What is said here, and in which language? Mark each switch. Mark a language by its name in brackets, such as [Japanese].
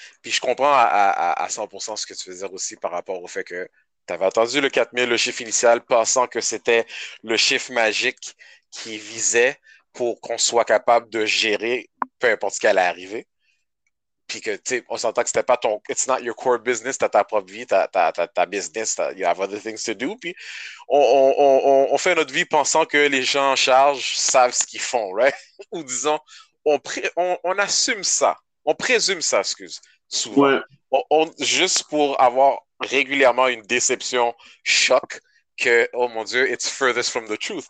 [French] Puis je comprends à 100% ce que tu veux dire aussi par rapport au fait que tu avais attendu le 4 000, le chiffre initial, pensant que c'était le chiffre magique qui visait pour qu'on soit capable de gérer peu importe ce qui allait arriver. Puis que, tu sais, on s'entend que c'était pas ton. [English] It's not your core business, [French] t'as ta propre vie, ta business, [English] you have other things to do. [French] Puis on fait notre vie pensant que les gens en charge savent ce qu'ils font, right? Ou disons, on assume ça, on présume ça, excuse, souvent. Ouais. Juste pour avoir régulièrement une déception, choc, que, oh mon Dieu, [English] it's furthest from the truth.